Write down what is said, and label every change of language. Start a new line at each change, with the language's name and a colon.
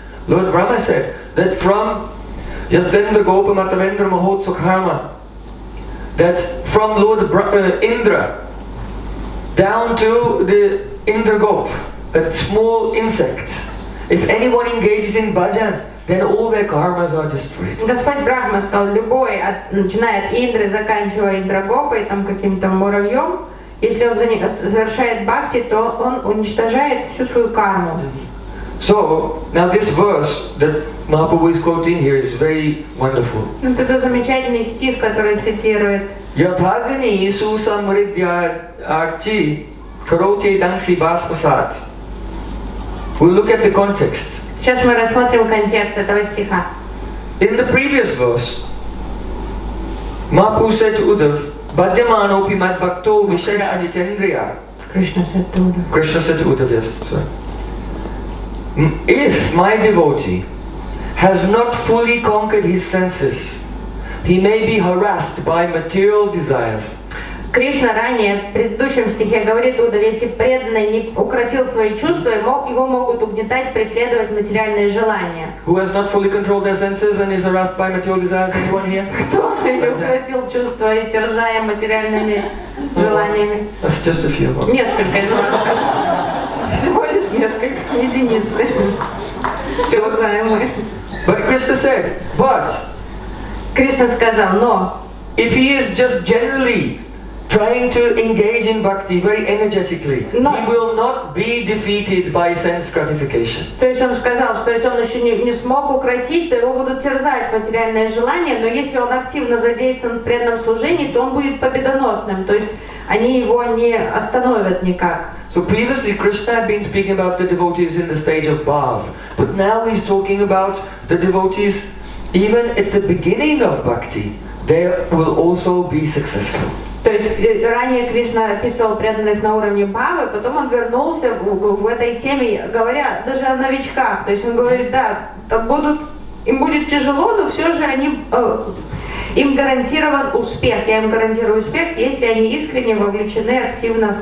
English: Lord Brahma said that from
Sanskrit: Yastendra Gopa Matavendra Mahotsu Karma,
English: that from Lord Indra down to the Indragop, a small insect. If anyone engages in bhajan, then all their karmas are destroyed.
Russian: Господь Брахма сказал, любой, начиная от Индры, заканчивая Индрагопой, там каким-то муравьем, если он совершает бхакти, то он уничтожает всю свою карму.
English: So, now this verse that Mahaprabhu is quoting here is very wonderful.
Russian: Это замечательный стих, который цитирует.
Sanskrit: Ятагни Иисусам Риддиарчи, Кроти Данси Баспасат.
English: We'll look at the context.
Russian: Сейчас мы рассмотрим контекст этого стиха.
English: In the previous verse, Mahaprabhu said to Uddhav,
Sanskrit: Bhajyamanopi Madbhakto Vishaya Ajitendriya.
English: Krishna said to Uddhav, yes, sorry. If my devotee has not fully conquered his senses, he may be harassed by material desires.
Russian: Кришна ранее, в предыдущем стихе, говорит Удав, если преданный не укротил свои чувства, его могут угнетать, преследовать материальные желания.
English: Who has not fully controlled their senses and is harassed by material desires? Anyone here?
Russian: Кто не укротил чувства и терзая материальными желаниями?
English: Just a few.
Russian: Несколько. Всего лишь несколько. Единицы. Терзаемые.
English: But Krishna said, but...
Russian: Кришна сказал, но...
English: If he is just generally... trying to engage in bhakti very energetically,
Russian: но,
English: he will not be defeated by sense gratification.
Russian: То есть он сказал, что если он еще не смог укротить, то его будут терзать материальные желания, но если он активно задействован в преданном служении, то он будет победоносным, то есть они его не остановят никак.
English: So previously Krishna had been speaking about the devotees in the stage of bhav, but now he's talking about the devotees even at the beginning of bhakti, they will also be successful.
Russian: То есть ранее Кришна описывал преданных на уровне бхавы, потом он вернулся в этой теме, говоря даже о новичках. То есть он говорит, да, будут, им будет тяжело, но все же они, им гарантирован успех. Я им гарантирую успех, если они искренне вовлечены активно в